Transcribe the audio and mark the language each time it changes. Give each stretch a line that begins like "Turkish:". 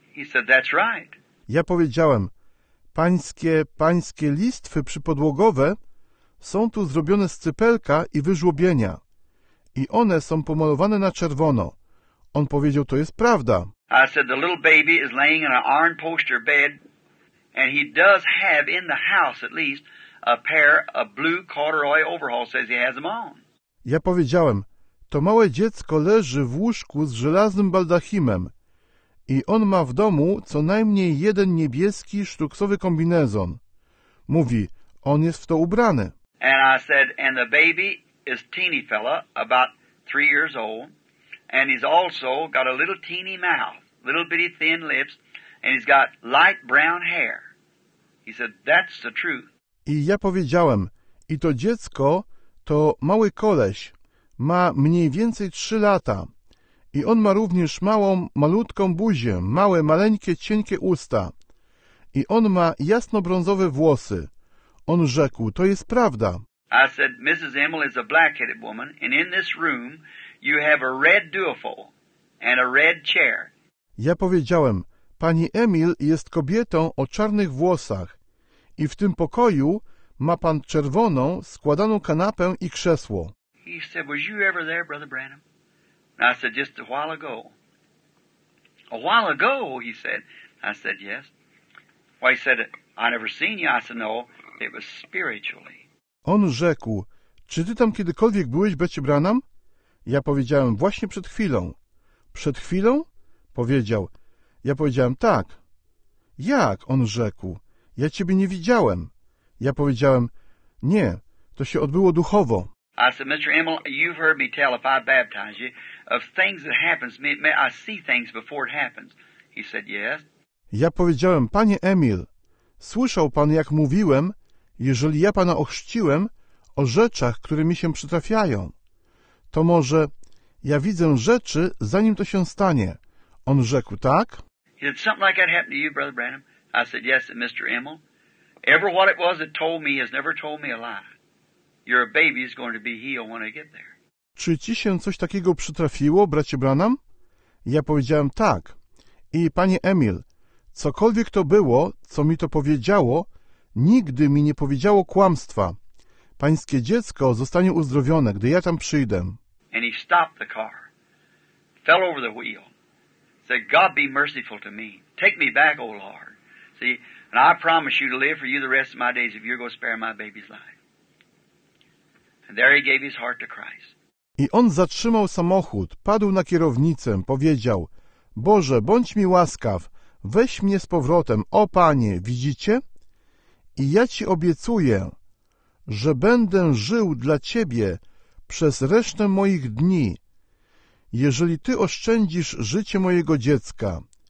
English: He said, that's right.
Polish: Ja powiedziałem, pańskie listwy przypodłogowe są tu zrobione z cypelka i wyżłobienia. I one są pomalowane na czerwono. On powiedział, to jest prawda.
English: I said, the little baby is laying in an iron poster bed and he does have in the house at least a pair of blue corduroy overalls, says he has them on.
Polish: Ja powiedziałem, to małe dziecko leży w łóżku z żelaznym baldachimem i on ma w domu co najmniej jeden niebieski sztuksowy kombinezon. Mówi, on jest w to ubrany.
English: And I said, and the baby is teeny fella, about 3 years old, and he's also got a little teeny mouth, little bitty thin lips, and he's got light brown hair. He said, that's the truth.
Polish: I ja powiedziałem, i to dziecko to mały koleś, ma mniej więcej 3 lata i on ma również małą, malutką buzię, małe, maleńkie, cienkie usta i on ma jasnobrązowe włosy. On rzekł, to jest prawda.
English: I said, Mrs. Emil is a black-headed woman, and in this room you have a red duofold and a red chair.
Polish: Ja powiedziałem, pani Emil jest kobietą o czarnych włosach i w tym pokoju ma pan czerwoną, składaną kanapę i krzesło.
English: He said, was you ever there, Brother Branham? I said, just a while ago. A while ago, he said. I said, yes. Well, he said, I never seen you. I said, no, it was spiritually.
Polish: On rzekł, czy ty tam kiedykolwiek byłeś, bracie Branham? Ja powiedziałem, właśnie przed chwilą. Przed chwilą? Powiedział. Ja powiedziałem, tak. Jak? On rzekł. Ja ciebie nie widziałem. Ja powiedziałem, nie, to się odbyło duchowo.
English: I said, Mr. Emil, you've heard me tell if I baptize you of things that happens, may I see things before it happens. He said, yes.
Polish: Ja powiedziałem, panie Emil, słyszał pan, jak mówiłem, jeżeli ja pana ochrzciłem, o rzeczach, które mi się przytrafiają. To może ja widzę rzeczy, zanim to się stanie. On rzekł, tak?
English: He said, something like that happened to you, Brother Branham. I said, yes, Mr. Emil. Ever what it was that told me has never told me a lie. Your baby is going to be healed when I get there.
Polish: Czy ci się coś takiego przytrafiło, bracie Branham? Ja powiedziałem, tak. I panie Emil, cokolwiek to było, co mi to powiedziało, nigdy mi nie powiedziało kłamstwa. Pańskie dziecko zostanie uzdrowione, gdy ja tam przyjdę.
English: And he stopped the car, fell over the wheel, said, God be merciful to me. Take me back, O Lord. See, and I promise you to live for you the rest of my days if you're going to spare my baby's life. And there he gave his heart to Christ.
Polish: I on zatrzymał samochód, padł na kierownicę, powiedział, Boże, bądź mi łaskaw, weź mnie z powrotem, o Panie, widzicie? I ja ci obiecuję, że będę żył dla ciebie przez resztę moich dni, jeżeli ty oszczędzisz życie mojego dziecka.